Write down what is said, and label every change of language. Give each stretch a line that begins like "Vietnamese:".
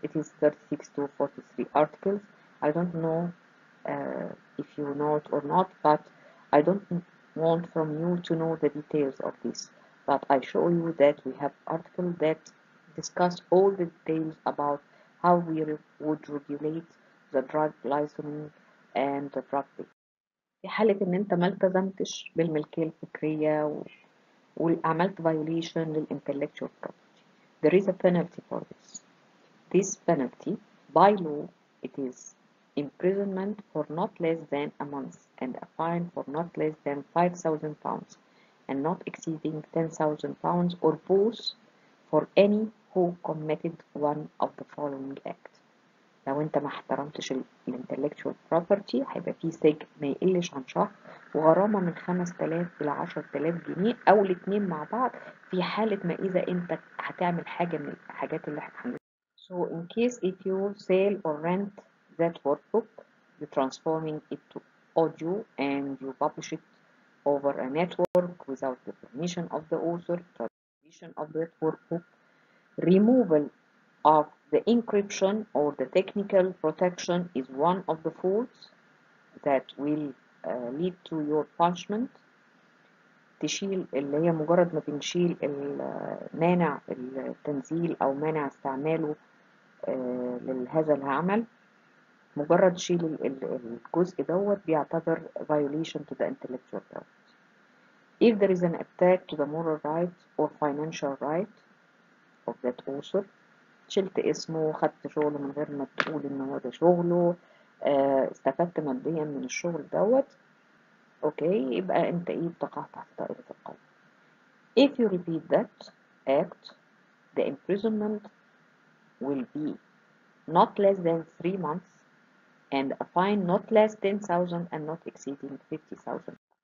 English: It is 36 to 43 articles. I don't know if you know it or not, but I don't want from you to know the details of this. But I show you that we have article that discuss all the details about how we would regulate the drug licensing and the drug pay.
Arabic: في حالة ان انت ما التزمتش بالملكية الفكرية وعملت violation للintellectual property.
English: There is a penalty for this. This penalty, by law, it is imprisonment for not less than a month and a fine for not less than £5,000 and not exceeding £10,000 or both for any who committed one of the following act.
Arabic: لو انت ما احترمتش الintellectual property هيبقى في سجن ما يقلش عن شهر وغرامة من 5000 الى 10000 جنيه او الاثنين مع بعض في حالة ما اذا انت هتعمل حاجة من الحاجات اللي احنا عملناها.
English: So in case if you sell or rent that workbook, you're transforming it to audio and you publish it over a network without the permission of the author, transmission of that workbook, removal of the encryption or the technical protection is one of the faults that will lead to your punishment.
Arabic: تشيل اللي هي مجرد ما تنشيل المانع التنزيل او مانع استعماله لهذا العمل مجرد شيل الجزء دوت بيعتبر
English: violation to the intellectual property. If there is an attack to the moral right or financial right of that author,
Arabic: شلت اسمه خدت شغله من غير ما تقول ان هو ده شغله استفدت ماديا من الشغل دوت اوكي يبقى انت ايه بتقع تحت دائرة القانون.
English: If you repeat that act, the imprisonment will be not less than 3 months and a fine not less than 10,000 and not exceeding 50,000.